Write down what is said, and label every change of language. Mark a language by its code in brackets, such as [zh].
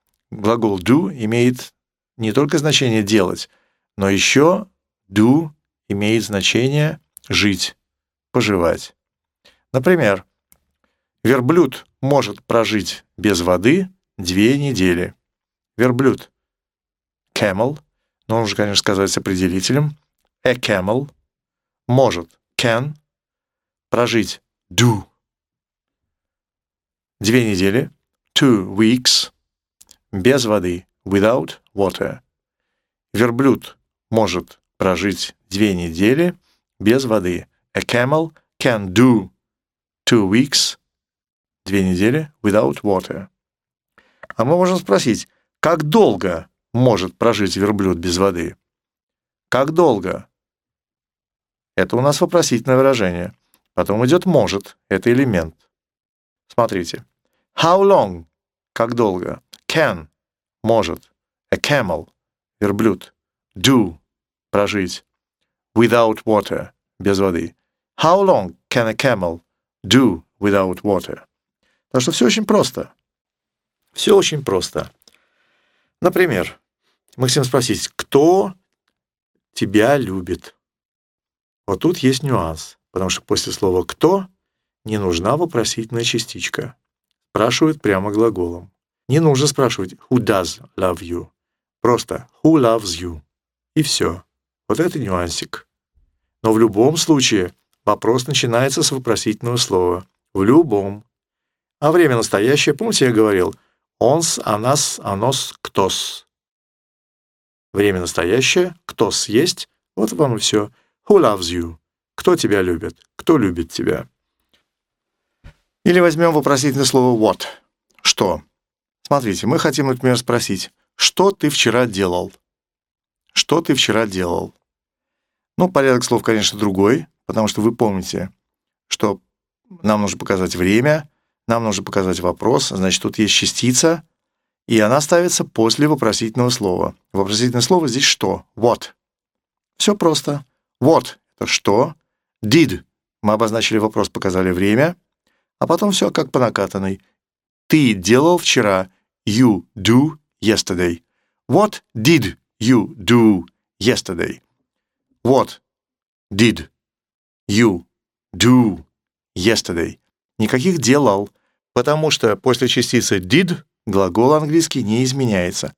[ru] Глагол do имеет не только значение делать, но еще do имеет значение жить, поживать. Например, верблюд может прожить без воды две недели. Верблюд – camel, но он же, конечно, сказать с определителем. [en] A camel [ru] может [en] – can – [ru] прожить [en] do. [ru] Две недели, [en] 2 weeks, [ru] без воды, [en] without water. [ru] Верблюд может прожить две недели без воды. [en] A camel can do 2 weeks, [ru] две недели, [en] without water. [ru] А мы можем спросить, как долго может прожить верблюд без воды? Как долго? Это у нас вопросительное выражение. Потом идет может, это элемент. Смотрите. [en] How long? [ru] Как долго? [en] Can? [ru] Может. [en] A camel? [ru] Верблюд. [en] Do? [ru] Прожить. [en] Without water? [ru] Без воды. [en] How long can a camel do without water? [ru] Так что все очень просто. Все очень просто. Например, мы хотим спросить, кто тебя любит? Вот тут есть нюанс, потому что после слова «кто» не нужна вопросительная частичка. Спрашивают прямо глаголом. Не нужно спрашивать [en] «who does love you?» [ru] Просто [en] «who loves you?» [ru] И все. Вот это нюансик. Но в любом случае вопрос начинается с вопросительного слова. В любом. А время настоящее, помните, я говорил «ons», «онас», «онос», «ктос». Время настоящее, «ктос» есть, вот вам и все. [en] «Who loves you?» [ru] «Кто тебя любит?» «Кто любит тебя?» Или возьмем вопросительное слово what. Что? Смотрите, мы хотим, например, спросить, что ты вчера делал? Что ты вчера делал? Ну, порядок слов, конечно, другой, потому что вы помните, что нам нужно показать время, нам нужно показать вопрос, значит, тут есть частица, и она ставится после вопросительного слова. Вопросительное слово здесь что? What. Все просто. What – это что? [en] Did. [ru] Мы обозначили вопрос, показали время. А потом все как по накатанной. Ты делал вчера. [en] You do yesterday. What did you do yesterday? What did you do yesterday? [ru] Никаких делал, потому что после частицы did глагол английский не изменяется.